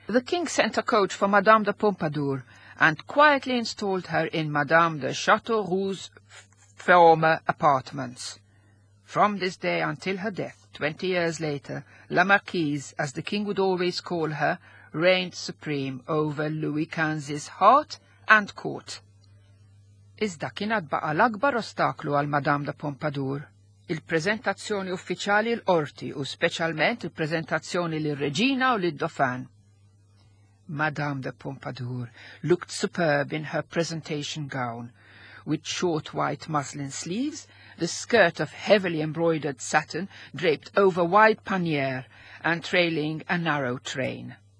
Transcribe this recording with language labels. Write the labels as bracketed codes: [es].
[en] The king sent a coach for Madame de Pompadour and quietly installed her in Madame de Chateauroux's former apartments. From this day until her death, 20 years later, La Marquise, as the king would always call her, reigned supreme over Louis XV's heart and court. [mt] Iżda kien baqa' l-akbar ostaklu għal Madame de Pompadour. Il-preżentazzjoni uffiċjali l-qorti u speċjalment il-preżentazzjoni lir-reġina u lid-dofan. [en] Madame de Pompadour looked superb in her presentation gown, with short white muslin sleeves, the skirt of heavily embroidered satin draped over wide panniers and trailing a narrow train.